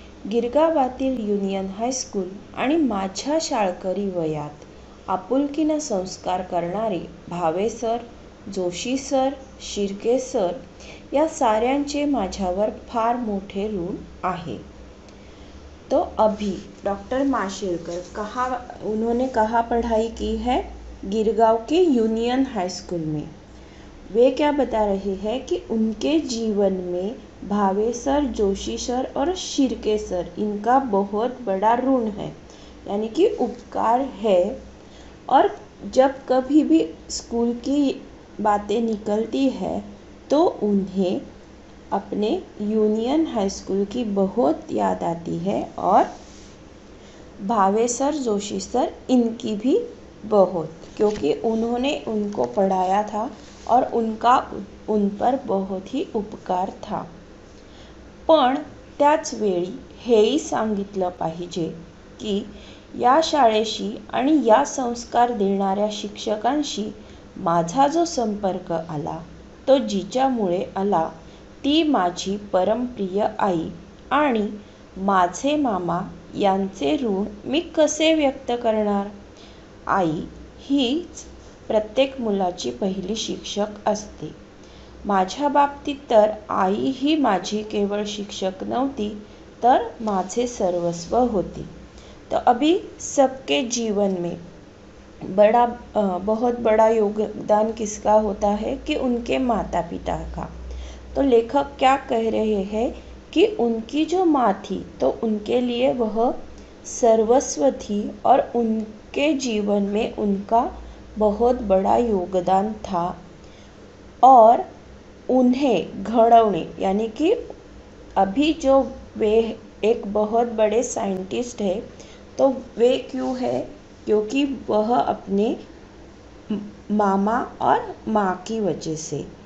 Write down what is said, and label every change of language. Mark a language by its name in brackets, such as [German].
[Marathi] गिरगावातील union high school आणि माझ्या शाळकरी वयात आपुलकीनं संस्कार करणारे Bhave sir, Joshi sir, Shirke sir या साऱ्यांचे माझ्यावर फार मोठे ऋण आहे. [Hindi] तो अभी डॉक्टर माशेलकर कहाँ, उन्होंने कहाँ पढ़ाई की है? गिरगांव के यूनियन हाईस्कूल में. वे क्या बता रहे हैं कि उनके जीवन में भावे सर, जोशी सर और शिर्के सर इनका बहुत बड़ा ऋण है, यानी कि उपकार है. और जब कभी भी स्कूल की बातें निकलती है तो उन्हें अपने यूनियन हाईस्कूल की बहुत याद आती है और भावे सर, जोशी सर इनकी भी बहुत, क्योंकि उन्होंने उनको पढ़ाया था और उनका उन पर बहुत ही उपकार था. [Marathi] पण त्याच वेळी हेही सांगितलं पाहिजे की या शाळेशी आणि या संस्कार देणाऱ्या शिक्षकांशी माझा जो संपर्क आला तो जिच्यामुळे आला ती माझी परमप्रिय आई आणि माझे मामा यांचे ऋण मी कसे व्यक्त करणार. आई हीच प्रत्येक मुलाची पहिली शिक्षक असते. माझ्या बाबतीत तर आई ही माझी केवळ शिक्षक नव्हती तर माझे सर्वस्व होती. [Hindi] तो अभी सबके जीवन में बड़ा बहुत बड़ा योगदान किसका होता है कि उनके माता पिता का. तो लेखक क्या कह रहे हैं कि उनकी जो माँ थी तो उनके लिए वह सर्वस्व थी और उनके जीवन में उनका बहुत बड़ा योगदान था और उन्हें घड़ौने यानी कि अभी जो वे एक बहुत बड़े साइंटिस्ट है तो वे क्यों है, क्योंकि वह अपने मामा और माँ की वजह से.